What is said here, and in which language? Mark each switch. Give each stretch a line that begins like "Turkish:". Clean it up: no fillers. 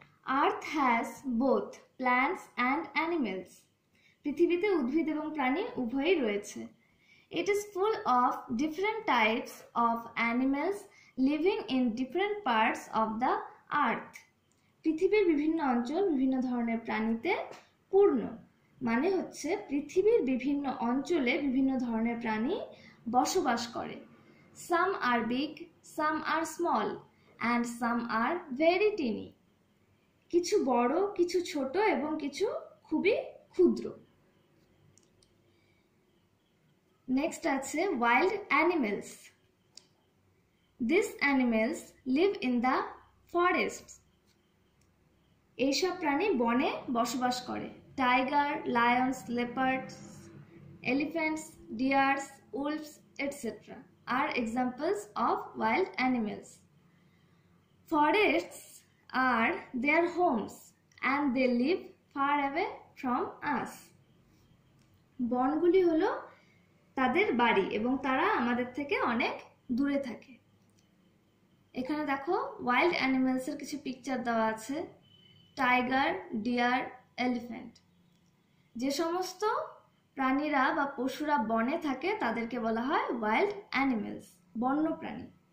English: Earth has both plants and animals.
Bangla: Prithibite udbhid ebong prani ubhoy royeche.
English: It is full of different types of animals living in different parts of the earth.
Bangla: পৃথিবীর বিভিন্ন অঞ্চল বিভিন্ন ধরনের প্রাণীতে পূর্ণ মানে হচ্ছে পৃথিবীর বিভিন্ন অঞ্চলে বিভিন্ন ধরনের প্রাণী বসবাস করে.
English: Some are big, some are small, and some are very tiny.
Bangla: কিছু বড়, কিছু ছোট এবং কিছু খুবই ক্ষুদ্র.
English: Next আছে wild animals. These animals live in the forests.
Bangla: এইসব প্রাণী বনে বসবাস করে.
English: Tiger, lions, leopards, elephants, deers, wolves, etc. are examples of wild animals. Forests are their homes and they live far away from us.
Bangla: বনগুলি হলো তাদের বাড়ি এবং তারা আমাদের থেকে অনেক দূরে থাকে. এখানে দেখো ওয়াইল্ড অ্যানিমালসের কিছু পিকচার দেওয়া আছে. Tiger, deer, elephant. যে সমস্ত প্রাণীরা বা পশুরা বনে থাকে তাদেরকে বলা হয় ওয়াইল্ড অ্যানিমালস, বন্য প্রাণী.